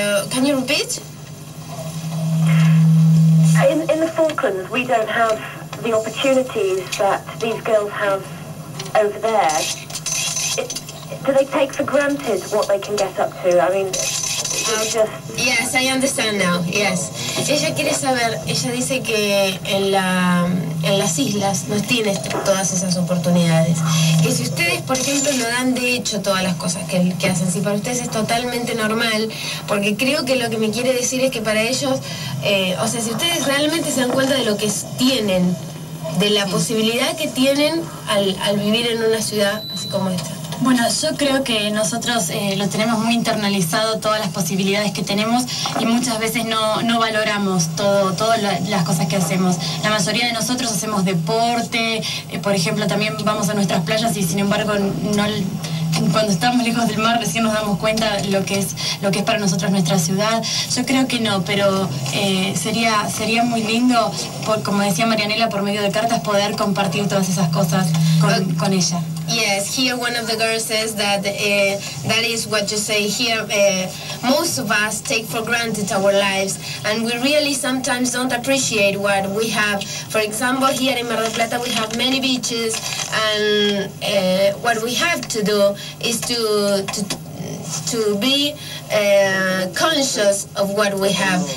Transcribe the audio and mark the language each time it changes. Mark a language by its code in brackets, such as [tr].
[en] Can you repeat? In the Falklands, we don't have the opportunities that these girls have over there. Do they take for granted what they can get up to? I mean, yes, I understand now, yes. [es] Ella quiere saber, ella dice que en las islas no tiene todas esas oportunidades. Que si ustedes, por ejemplo, no dan de hecho todas las cosas que hacen, si para ustedes es totalmente normal, porque creo que lo que me quiere decir es que para ellos, o sea, si ustedes realmente se dan cuenta de lo que tienen, de la posibilidad que tienen al vivir en una ciudad así como esta. Bueno, yo creo que nosotros lo tenemos muy internalizado, todas las posibilidades que tenemos, y muchas veces no valoramos todas las cosas que hacemos. La mayoría de nosotros hacemos deporte, por ejemplo, también vamos a nuestras playas y sin embargo no, cuando estamos lejos del mar recién nos damos cuenta lo que es para nosotros nuestra ciudad. Yo creo que no, pero sería muy lindo, como decía Marianela, por medio de cartas poder compartir todas esas cosas con ella. [en] Yes, here one of the girls says that that is what you say here. Most of us take for granted our lives, and we really sometimes don't appreciate what we have. For example, here in Mar del Plata we have many beaches, and what we have to do is to be conscious of what we have.